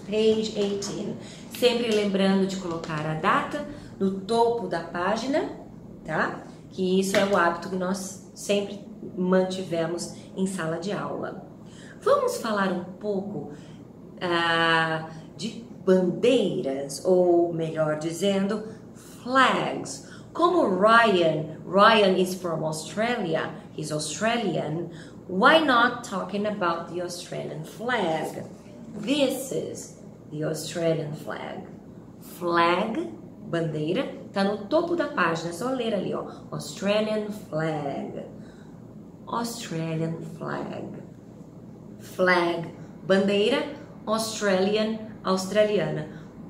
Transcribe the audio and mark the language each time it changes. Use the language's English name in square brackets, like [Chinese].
[English] Page 18. [Portuguese] Sempre lembrando de colocar a data no topo da página, tá? Que isso é o hábito que nós sempre mantivemos em sala de aula. Vamos falar um pouco de bandeiras, ou melhor dizendo, flags. Como [English] Ryan is from Australia, he's Australian, why not talking about the Australian flag? This is the Australian flag. [Portuguese] Flag, bandeira, tá no topo da página, é só ler ali, ó. [English] Australian flag. Australian flag. [Portuguese] Flag, bandeira, Australian, australiana.